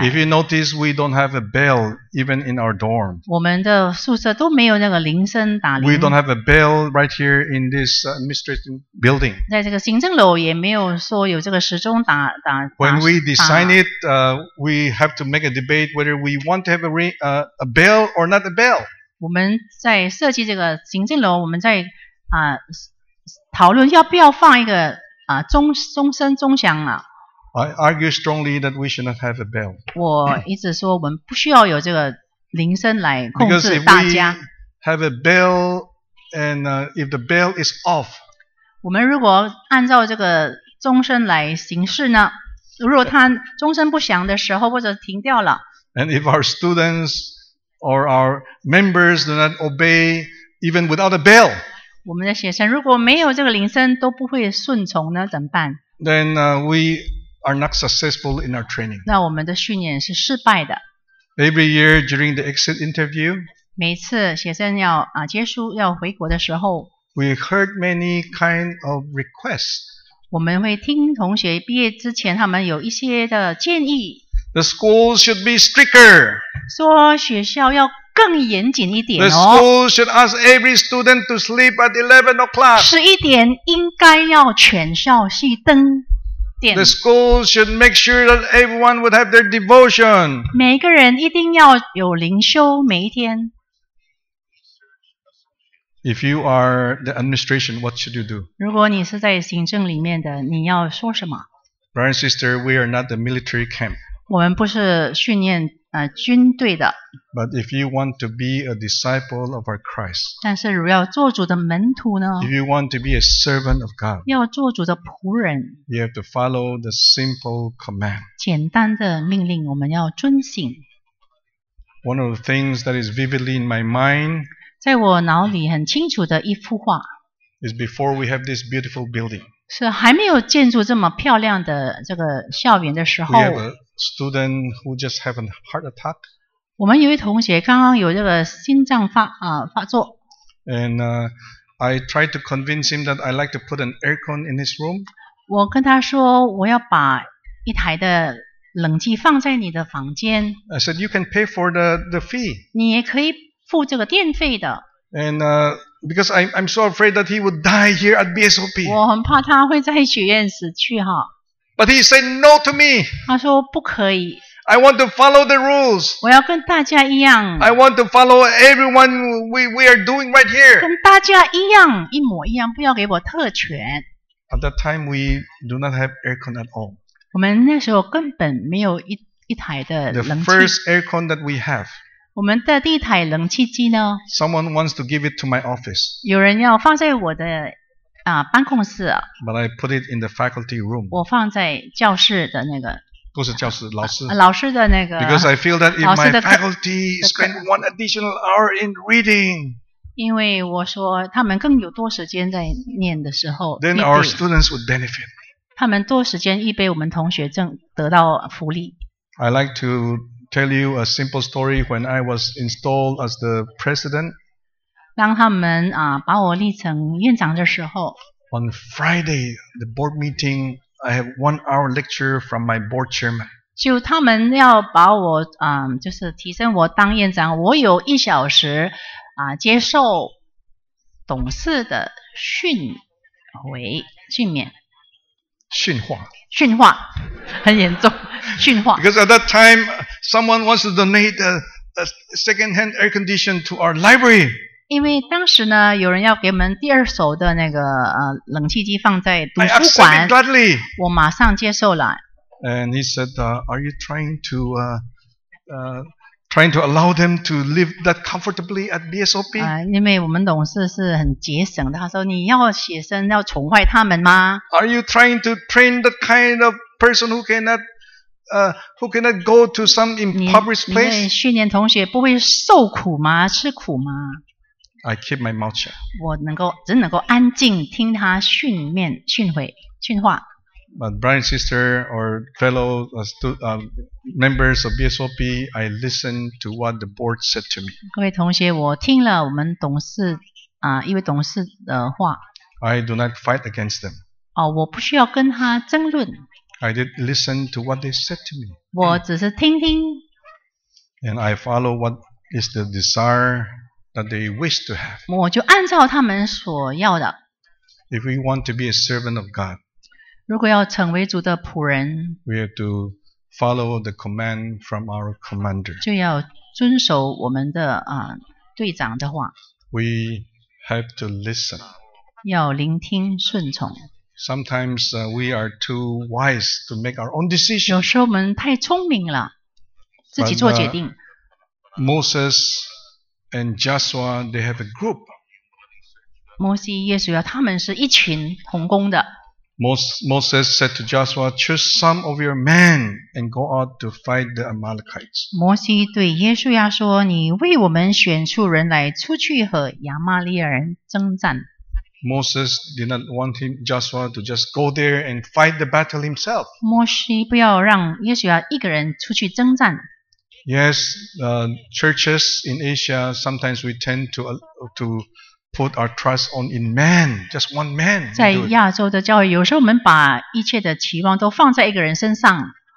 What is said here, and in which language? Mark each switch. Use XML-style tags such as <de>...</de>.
<en>If you notice, we don't have a bell even in our dorm.</en> <zh>我们的宿舍都没有那个铃声打铃。</zh> <en>We don't have a bell right here in this administration building.</en> <zh>在这个行政楼也没有说有这个时钟打。</zh> <en>When we design it, we have to make a debate whether we want to have a bell or not a bell.</en> <zh>我们在设计这个行政楼，我们在讨论要不要放一个。钟声钟响了。</zh> <en>I argue strongly that we should not have a bell.</en> <zh>我一直说我们不需要有这个铃声来控制大家。</zh> <en>Because if we have a bell and if the bell is off,</en> <zh>我们如果按照这个钟声来行事呢？如果它钟声不响的时候或者停掉了。</zh> <en>And if our students or our members do not obey even without a bell.</en> <zh>我们的学生如果没有这个铃声都不会顺从呢怎么办</zh> <en>Then we are not successful in our training.</en> <zh>那我们的训练是失败的。</zh> <en>Every year during the exit interview,</en> <zh>每次学生要啊结束要回国的时候</zh> <en>，We heard many kind of requests。</en> <zh>我们会听同学毕业之前他们有一些的建议。</zh> <en>The schools should be stricter。</en> <zh>说学校要更严谨一点哦。</zh> <en>The schools should ask every student to sleep at 11 o'clock。</en> <zh>11点应该要全校熄灯。</zh> <en>The school should make sure that everyone would have their devotion.</en> <zh>每个人一定要有灵修每一天。</zh> <en>If you are the administration, what should you do?</en> <zh>如果你是在行政里面的，你要说什么？</zh> <en>Brother and sister, we are not the military camp.</en> <zh>我们不是训练军队的。</zh> <en>But if you want to be a disciple of our Christ,</en> <zh>但是如果要做主的门徒呢？</zh> <en>If you want to be a servant of God,</en> <zh>要做主的仆人，</zh> <en>you have to follow the simple command.</en> <zh>简单的命令我们要遵行。</zh> <en>One of the things that is vividly in my mind,</en> <zh>在我脑里很清楚的一幅画，</zh> <en>is before we have this beautiful building.</en> <zh>是还没有建筑这么漂亮的这个校园的时候，</zh> <en>we have a student who just had a heart attack.</en> <zh>我们有一同学刚刚有这个心脏发作。</zh> <en>And I tried to convince him that I'd like to put an aircon in his room.</en> <zh>我跟他说我要把一台的冷气放在你的房间。</zh> <en>I said you can pay for the fee.</en> <zh>你也可以付这个电费的。</zh> <en>And because I'm so afraid that he would die here at BSOP.</en> <zh>我很怕他会在学院死去哈。</zh> <en>But he said no to me.</en> <zh>他说不可以。</zh> <en>I want to follow the rules.</en> <zh>我要跟大家一样。</zh> <en>I want to follow everyone we are doing right here.</en> <zh>跟大家一样，一模一样，不要给我特权。</zh> <en>At that time, we do not have aircon at all.</en> <zh>我们那时候根本没有一台的冷气。</zh> <en>The first aircon that we have.</en> <zh>我们的第一台冷气机呢</zh> <en>？Someone wants to give it to my office.</en> <zh>有人要放在我的办公室。</zh> <en>But I put it in the faculty room.</en> <zh>我放在教室的那个。不是教师，老师。老师的那个。</zh> <en>Because I feel that if my faculty spend one additional hour in reading,</en> <zh>因为我说他们更有多时间在念的时候</zh> <en>，then our students would benefit.</en> <zh>他们多时间预备我们同学正得到福利。</zh> <en>I like to tell you a simple story when I was installed as the president.</en> <zh>当他们把我立成院长的时候。</zh> <en>On Friday, the board meeting. I have 1 hour lecture from my board chairman.</en> <zh>就他们要把我就是提升我当院长，我有一小时接受董事的训话，很严重，训话。</zh> <en>Because at that time, someone wants to donate a second-hand air condition to our library.</en> <zh>因为当时呢，有人要给我们第二手的那个冷气机放在图书馆，</zh> <en>I accepted gladly.</en> <zh>我马上接受了。</zh> <en>And he said, "Are you trying to allow them to live that comfortably at BSOP?"</en> <zh>因为我们董事是很节省的，他说你要学生要宠坏他们吗</zh> <en>？Are you trying to train the kind of person who cannot? Who cannot go to some impoverished place?</en> <zh>你训练同学不会受苦吗？吃苦吗</zh> <en>？I keep my mouth shut.</en> <zh>我只能够安静听他训话。</zh> <en>But brother, sister, or fellow members of BSOP, I listened to what the board said to me.</en> <zh>各位同学，我听了我们董事一位董事的话。</zh> <en>I do not fight against them.</en> <zh>我不需要跟他争论。</zh> <en>I did listen to what they said to me.</en> <zh>我只是听听。</zh> <en>And I follow what is the desire that they wish to have.</en> <zh>我就按照他们所要的。</zh> <en>If we want to be a servant of God,</en> <zh>如果要成为主的仆人，</zh> <en>we have to follow the command from our commander.</en> <zh>就要遵守我们的队长的话。</zh> <en>We have to listen.</en> <zh>要聆听顺从。</zh> <en>Sometimes we are too wise to make our own decision.</en> <zh>有时候我们太聪明了，自己做决定。</zh> <en>Moses and Joshua, they have a group.</en> <zh>摩西、耶稣他们是一群同工的。</zh> <en>Moses said to Joshua, "Choose some of your men and go out to fight the Amalekites."</en> <zh>摩西对耶稣说：“你为我们选出人来，出去和亚玛利人征战。”</zh> <en>Moses did not want him Joshua to just go there and fight the battle himself.</en> <zh>摩西不要让耶稣一个人出去征战。</zh> <en>Yes, churches in Asia, sometimes we tend to put our trust on in man, just one man.</en> <zh>在亚洲的教会，有时候我们把一切的期望都放在一个人身上。</zh>